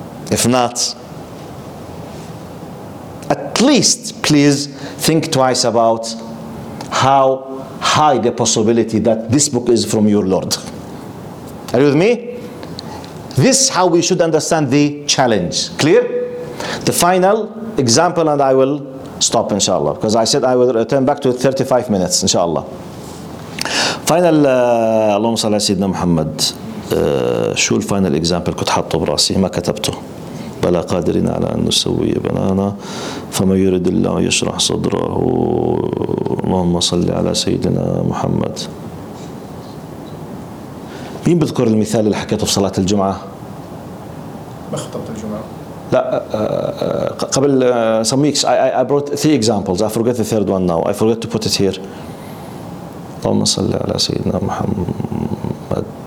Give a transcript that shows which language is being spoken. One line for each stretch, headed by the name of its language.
English: If not, at least please think twice about how high the possibility that this book is from your Lord. Are you with me? This is how we should understand the challenge. Clear? The final example and I will stop inshallah, because I said I will return back to 35 minutes inshallah.
Arabic: Final, اللهم صل على سيدنا محمد. شو الفاينل اكزامبل كنت حاطه براسي ما كتبته؟ بلا قادرين على أن نسوي بنانا، فما يريد الله يشرح صدره. اللهم صل على سيدنا محمد. مين بذكر المثال اللي حكيته في صلاة الجمعة؟ بخطبت الجمعة. لا قبل
English: some weeks I brought three examples. I forget the third one now. I forget to put it here.
Arabic: اللهم صل على سيدنا محمد.